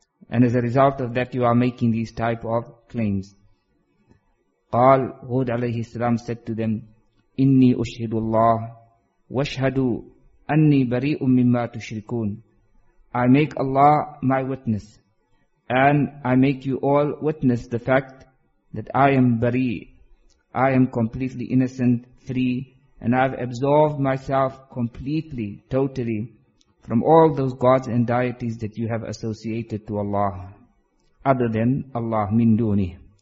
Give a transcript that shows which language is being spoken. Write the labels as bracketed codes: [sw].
[en] And as a result of that, you are making these type of claims. [ar] قال هود عليه السلام [en] said to them, [ar] إني أشهد الله واشهد أني بريء مما تشركون. [en] I make Allah my witness, and I make you all witness the fact that I am bari, I am completely innocent, free, and I have absolved myself completely, totally, from all those gods and deities that you have associated to Allah, other than Allah min duni.